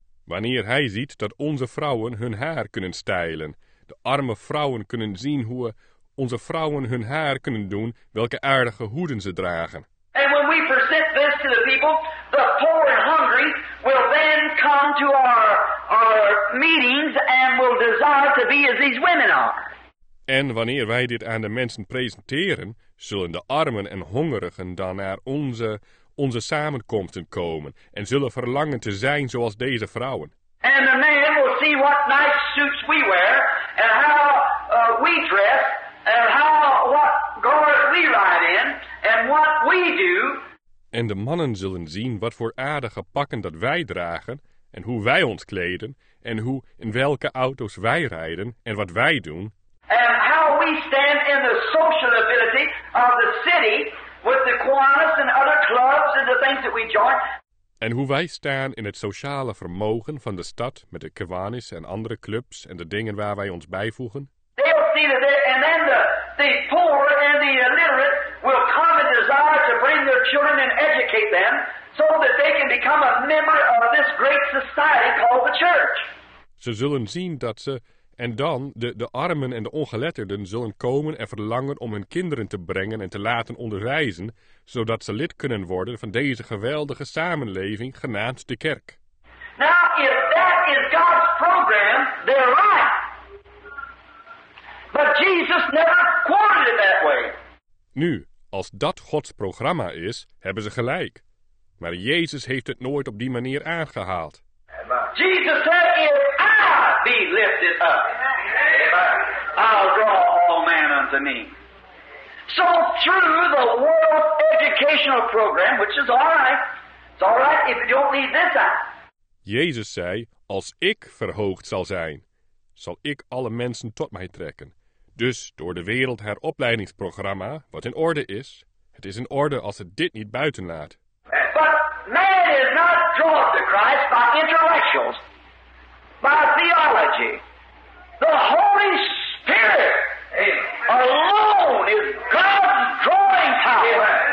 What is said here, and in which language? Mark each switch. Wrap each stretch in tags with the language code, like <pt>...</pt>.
<nl>Wanneer hij ziet dat onze vrouwen hun haar kunnen stylen, de arme vrouwen kunnen zien hoe onze vrouwen hun haar kunnen doen, welke aardige hoeden ze dragen.</nl> <en>And when we present this to the people, the poor and hungry will then come to our meetings and will desire to be as these women are.</en> <nl>En wanneer wij dit aan de mensen presenteren, zullen de armen en hongerigen dan naar onze samenkomsten komen en zullen verlangen te zijn zoals deze vrouwen.</nl> <en>And the man will see what nice suits we wear and how we dress and how what garb we ride in and what we do.</en> <nl>En de mannen zullen zien wat voor aardige pakken dat wij dragen en hoe wij ons kleden en hoe in welke auto's wij rijden en wat wij doen.</nl> <en>And how we stand in the social ability of the city with the Kiwanis and other clubs and the things that we join.</en> <nl>En hoe wij staan in het sociale vermogen van de stad met de Kiwanis en andere clubs en de dingen waar wij ons bijvoegen.</nl> <en>They'll see that and then the poor and the illiterate will come and desire to bring their children and educate them so that they can become a member of this great society called the church.</en> <nl>Ze zullen zien dat ze. En dan, de armen en de ongeletterden zullen komen en verlangen om hun kinderen te brengen en te laten onderwijzen, zodat ze lid kunnen worden van deze geweldige samenleving genaamd de kerk.</nl> <en>Now, if that is God's program, they're right. But Jesus never quoted it that way.</en> <nl>Nu, als dat Gods programma is, hebben ze gelijk. Maar Jezus heeft het nooit op die manier aangehaald.</nl> <en>Jesus said, be lifted up. Amen. I'll draw all men unto me. So through the world educational program, which is all right. It's all right if you don't leave this out.</en> <nl>Jezus zei, als ik verhoogd zal zijn, zal ik alle mensen tot mij trekken. Dus door de wereld haar opleidingsprogramma, wat in orde is, het is in orde als het dit niet buiten laat.</nl> <en>But man is not drawn to Christ by intellectuals. By theology, the Holy Spirit alone is God's drawing power.</en>